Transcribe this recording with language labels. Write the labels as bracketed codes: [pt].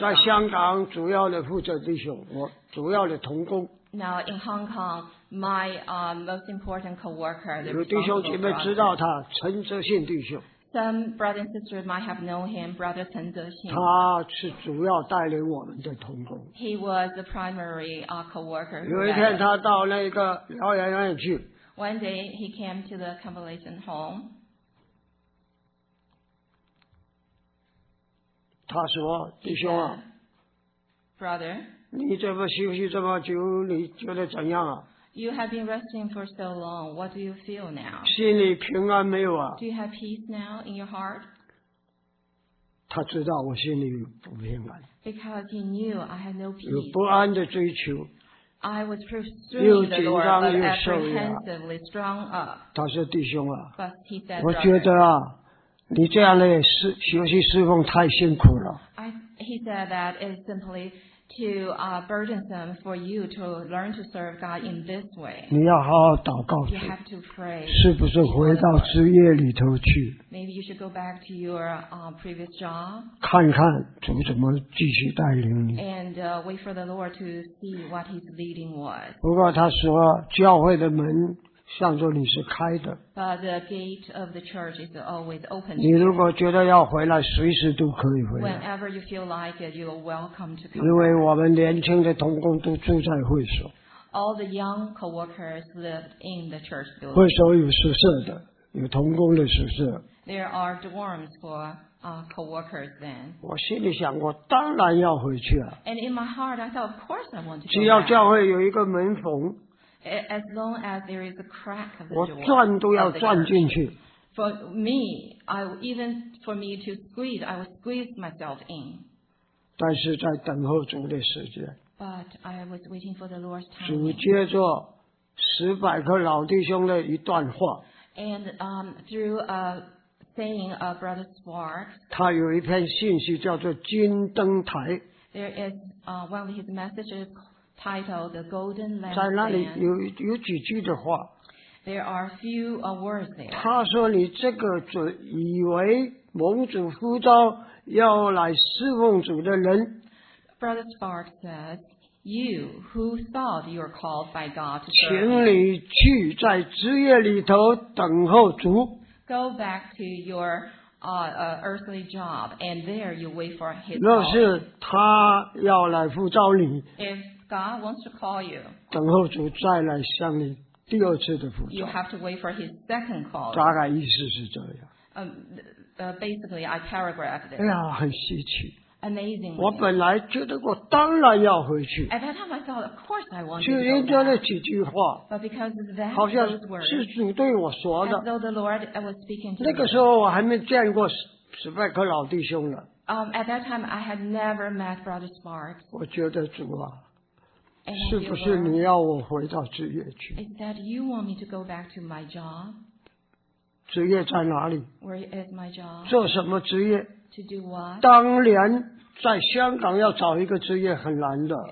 [zh] 在香港主要的负责弟兄我主要的同工 [en] Now in Hong Kong, my most important co-worker, the [zh] 有弟兄姐妹知道他陈泽信弟兄。 [en] Some brothers and sisters might have known him, Brother 陈泽信。 [zh] 他是主要带领我们的同工。 [en] He was the primary co-worker. [zh] 有一天他到那个疗养院去。 [en] One day he came to the convalescent home. [zh] 他说：“弟兄啊 [en] ，Brother。” [zh] 你这么休息这么久，你觉得怎样啊 [en] ？You have been resting for so long. What do you feel now? [zh] 心里平安没有啊 [en] ？Do you have peace now in your heart? [zh] 他知道我心里不平安。 [en] Because he knew I had no peace. [zh] 有不安的追求。 [en] I was pursuing the Lord, but apprehensively strung up. [zh] 他说弟兄啊。 [en] But he said, [zh] 我觉得啊，你这样的学习侍奉太辛苦了。 [en] He said that it's simply too burdensome for you to learn to serve God in this way. [zh] 你要好好祷告。 [en] You have to pray. [zh] 是不是回到职业里头去？ [en] Maybe you should go back to your previous job. [zh] 看看主怎么继续带领你。 [en] And wait for the Lord to see what His leading was. [zh] 不过他说教会的门向着你是开的。 [en] But the gate of the church is always open. [zh] 你如果觉得要回来，随时都可以回来。 [en] Whenever you feel like it, you are welcome to come. [zh] 因为我们年轻的同工都住在会所。 [en] All the young co-workers lived in the church building. [zh] 会所有宿舍的，有同工的宿舍。 [en] There are dorms for co-workers then. [zh] 我心里想，我当然要回去啊。 [en] And in my heart, I thought, of course, I want to come back. [zh] 只要教会有一个门缝。 [en] As long as there is a crack of the door, [zh] 我转都要转进去。 [en] For me, I even for me to squeeze, I would squeeze myself in. [zh] 但是在等候主的时间。 [en] But I was waiting for the Lord's time. [zh] 主接着十百个老弟兄的一段话。 [en] And through a saying of Brother Sparks. [zh] 他有一篇信息叫做《金灯台》。 [en] There is one of his messages. Titled The Golden Lamp. [zh] 在那里有几句的话。 [en] There are few words there. [zh] 他说你这个主以为蒙主呼召要来侍奉主的人。 [en] Brother Sparks said, You who thought you were called by God to serve. [zh] 请你去在职业里头等候主。 [en] Go back to your earthly job, and there you wait for His call. [zh] 若是他要来呼召你。 [en] God wants to call you. [zh] 等候主再来向你第二次的呼召。 [en] You have to wait for His second call. [zh] 大概意思是这样。 [en] Basically, I paragraphed it. [zh] 哎呀，很稀奇。 [en] Amazing. [zh] 我本来觉得我当然要回去。 [en] At that time, I thought, of course, I want to go back. [zh] 就人家那几句话。 [en] But because of that, [zh] 好像是主对我说的。 [en] As though the Lord was speaking to me. [zh] 那个时候我还没见过史派克老弟兄呢。 [en] At that time, I had never met Brother Sparks. [zh] 我觉得主啊。是不是你要我回到职业去？ [en] Is that you want me to go back to my job? [zh] 职业在哪里？ [en] Where is my job? [zh] 做什么职业？ [en] To do what? [zh] 当年在香港要找一个职业很难的。